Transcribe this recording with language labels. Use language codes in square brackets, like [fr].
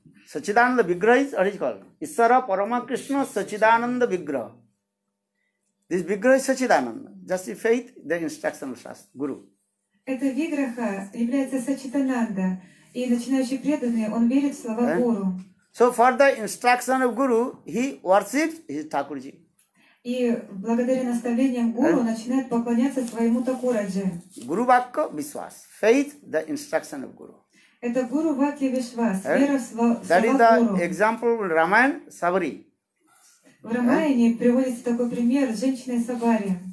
[en] Sachidananda vigraha is, what is called? Isvara Parama Krishna Sachidananda vigraha. This vigraha is Sachidananda. Just the faith, the instruction of Shastra, Guru. [ru] Это виграха является Сачидананда. И начинающий преданный, он верит в слова Гуру. [en] So for the instruction of Guru, he worships his Thakurji. [ru] И благодаря наставлениям Гуру, начинает поклоняться своему Такураджи. [sa] Guru Vakya Vishwas. [en] Faith, the instruction of Guru. [ru] Это [sa] Guru Vakya Vishwas. [ru] Вера в слова Гуру. [en] That is the example of Ramayana Sabari. [ru] В Рамаяне приводится такой пример женщины Сабари.